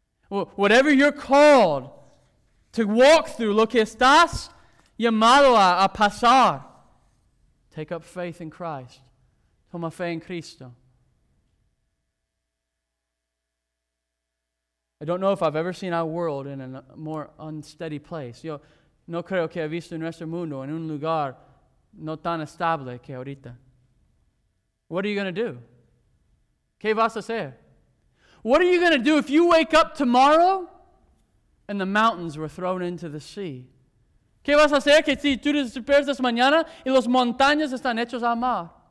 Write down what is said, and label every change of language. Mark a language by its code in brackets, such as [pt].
[en] Whatever you're called to walk through, [es] lo que estás llamado a pasar, [en] take up faith in Christ. [es] Toma fe en Cristo. [en] I don't know if I've ever seen our world in a more unsteady place. [es] Yo no creo que he visto nuestro mundo en un lugar no tan estable que ahorita. [en] What are you going to do? [es] ¿Qué vas a hacer? [en] What are you going to do if you wake up tomorrow and the mountains were thrown into the sea? [es] ¿Qué vas a hacer que si tú despiertas mañana y las montañas están hechas al mar?